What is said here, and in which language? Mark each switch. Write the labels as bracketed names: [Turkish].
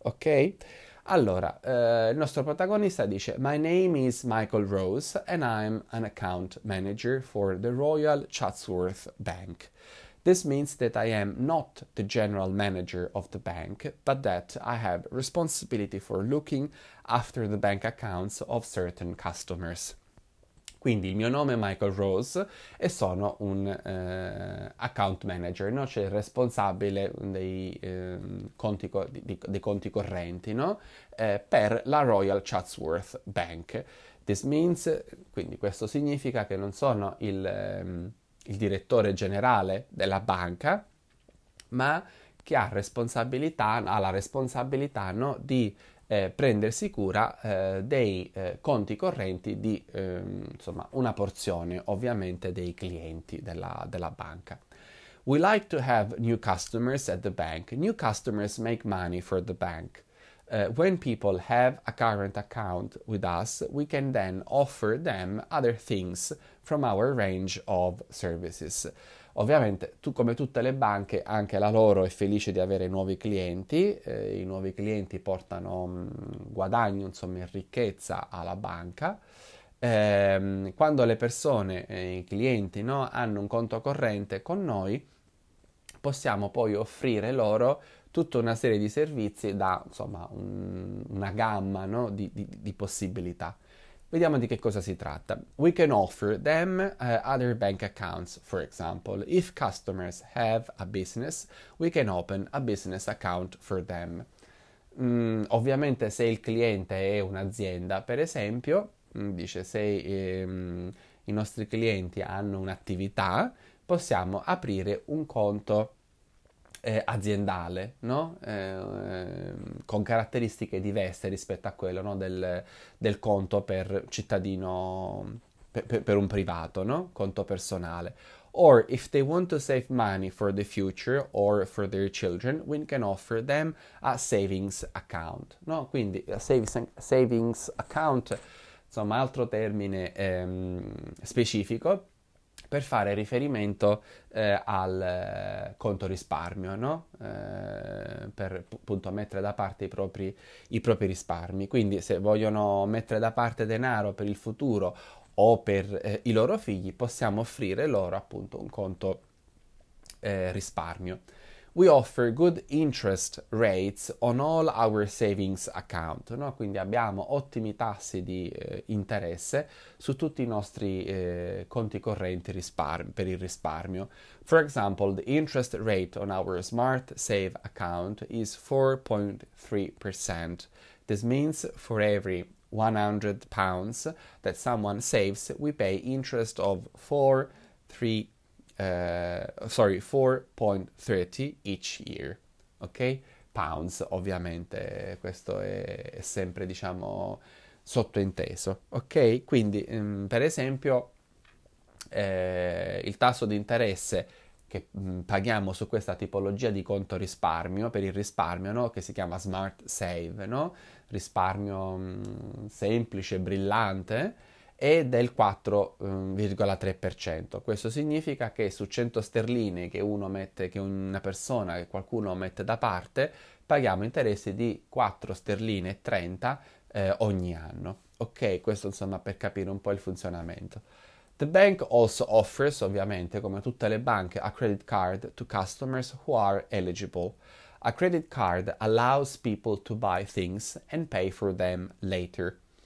[Italian] Ok? Allora, il nostro protagonista dice: [English] My name is Michael Rose and I'm an account manager for the Royal Chatsworth Bank. This means that I am not the general manager of the bank, but that I have responsibility for looking after the bank accounts of certain customers. [Italian] Quindi il mio nome è Michael Rose e sono un account manager, no? Cioè il responsabile dei conti correnti, no? Per la Royal Chatsworth Bank. [English] This means, [Italian] quindi questo significa che non sono il direttore generale della banca, ma che ha la responsabilità, no, di prendersi cura dei conti correnti di insomma, una porzione ovviamente dei clienti della banca. [English] We like to have new customers at the bank. New customers make money for the bank. When people have a current account with us, we can then offer them other things from our range of services. [Italian] Ovviamente, tu, come tutte le banche, anche la loro è felice di avere nuovi clienti. I nuovi clienti portano guadagno, insomma, in ricchezza alla banca. Quando le persone, i clienti, no, hanno un conto corrente con noi, possiamo poi offrire loro tutta una serie di servizi da, insomma, una gamma, no, di possibilità. Vediamo di che cosa si tratta. [English] We can offer them other bank accounts, for example. If customers have a business, we can open a business account for them. [Italian] Ovviamente se il cliente è un'azienda, per esempio, dice se i nostri clienti hanno un'attività, possiamo aprire un conto aziendale, no? Con caratteristiche diverse rispetto a quello, no? Del conto per cittadino, per un privato, no? Conto personale. [English] Or if they want to save money for the future or for their children, we can offer them a savings account, no? [Italian] Quindi a savings account, insomma, altro termine specifico. Per fare riferimento al conto risparmio, no? Per appunto mettere da parte i propri risparmi. Quindi, se vogliono mettere da parte denaro per il futuro o per i loro figli, possiamo offrire loro appunto un conto risparmio. [English] We offer good interest rates on all our savings account, no? [Italian] Quindi abbiamo ottimi tassi di interesse su tutti i nostri conti correnti per il risparmio. [English] For example, the interest rate on our Smart Save account is 4.3%. This means for every £100 that someone saves, we pay interest of 4.3%. Sorry, 4.30 each year, ok? [Italian] Pounds, ovviamente, questo è sempre, diciamo, sottointeso, ok? Quindi, per esempio, il tasso di interesse che paghiamo su questa tipologia di conto risparmio, per il risparmio, no? Che si chiama Smart Save, no? Risparmio, semplice, brillante, è del 4,3%. Questo significa che su 100 sterline che uno mette, che una persona, che qualcuno mette da parte, paghiamo interessi di 4 sterline e 30 ogni anno. Ok, questo insomma per capire un po' il funzionamento. [English] The bank also offers, [Italian] ovviamente, come tutte le banche, [English] a credit card to customers who are eligible. A credit card allows people to buy things and pay for them later.